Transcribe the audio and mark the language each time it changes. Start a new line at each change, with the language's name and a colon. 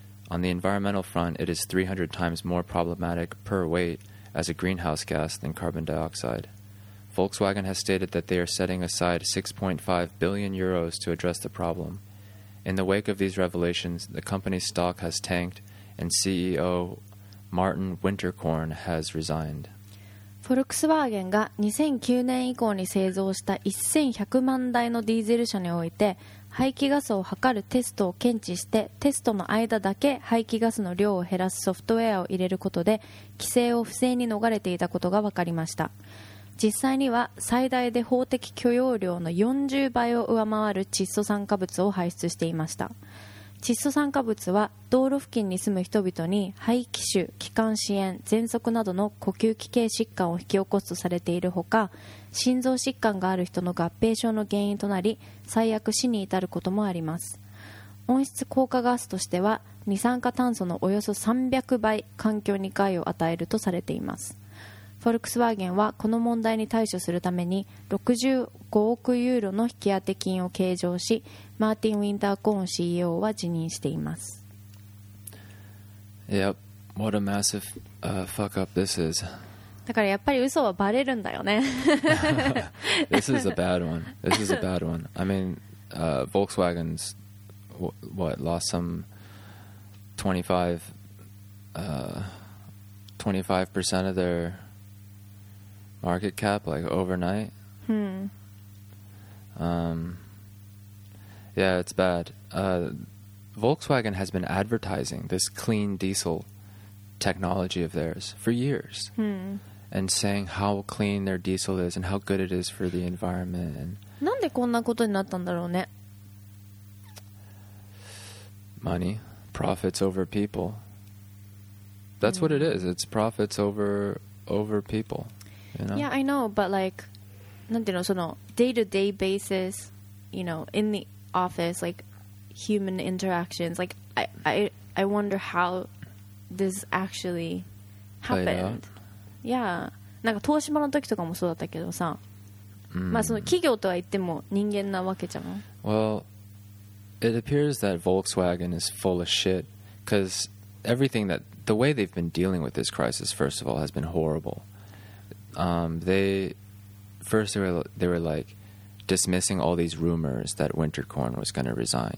English: On the environmental front, it is 300 times more problematic per weight as a greenhouse gas than carbon dioxide. Volkswagen has stated that they are setting aside 6.5 billion euros to address the problem. In the wake of these revelations, the company's stock has tanked and CEO Martin Winterkorn has resigned.
Japanese: Volkswagen が2009年以降に製造した1100万台のディーゼル車において、排気ガスを測るテストを検知して、テストの間だけ排気ガスの量を減らすソフトウェアを入れることで、規制を不正に逃れていたことが分かりました。実際には最大で法的許容量の40倍を上回る窒素酸化物を排出していました。窒素酸化物は道路付近に住む人々に肺気腫、気管支炎、喘息などの呼吸器系疾患を引き起こすとされているほか、心臓疾患がある人の合併症の原因となり、最悪死に至ることもあります。温室効果ガスとしては二酸化炭素のおよそ300倍環境に害を与えるとされています。フォルクスワーゲンはこの問題に対処するために65億ユーロの引き当て金を計上し、マーティン・ウィンターコーン CEO は辞任しています。
English: Yep, what a massive, fuck up this is.
Japanese: だからやっぱり嘘はバレるんだよね。
English: This is a bad one. This is a bad one. I mean, Volkswagen's, what, lost some 25% of their... market cap like overnight. Yeah, it's bad. Volkswagen has been advertising this clean diesel technology of theirs for years. And saying how clean their diesel is and how good it is for the environment.
Japanese: なんでこんなことになったんだろうね?
English: Money. Profits over people. That's what it is. It's profits over people. You know? Yeah, I know, but like,
Japanese: なんていうの、その
English: day-to-day basis, you know, in the office, like, human interactions, like, I wonder how this actually happened. Yeah.
Japanese: なんか東芝の時とかもそうだったけどさ、まあその企業とは言っても人間なわけじゃん。
English: Well, It appears that Volkswagen is full of shit, because everything that... The way they've been dealing with this crisis, first of all, has been horrible. They were like dismissing all these rumors that Winterkorn was going to resign.